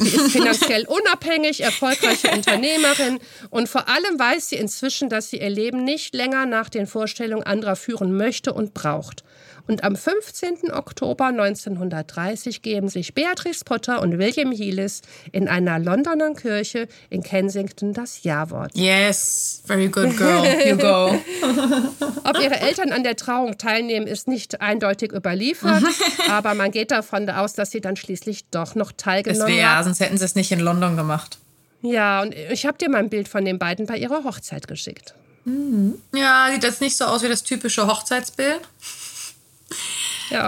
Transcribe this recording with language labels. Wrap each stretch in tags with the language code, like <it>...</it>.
<de>Sie ist finanziell unabhängig, erfolgreiche Unternehmerin und vor allem weiß sie inzwischen, dass sie ihr Leben nicht länger nach den Vorstellungen anderer führen möchte und braucht. Und am 15. Oktober 1930 geben sich Beatrice Potter und William Healis in einer Londoner Kirche in Kensington das Ja-Wort.</de> <en>Yes, very good girl, you go.</en> <de>Ob ihre Eltern an der Trauung teilnehmen, ist nicht eindeutig überliefert, aber man geht davon aus, dass sie dann schließlich doch noch teilgenommen haben. Das wäre ja, sonst hätten sie es nicht in London gemacht. Ja, und ich habe dir mal ein Bild von den beiden bei ihrer Hochzeit geschickt. Mhm. Ja, sieht das nicht so aus wie das typische Hochzeitsbild? Ja.</de>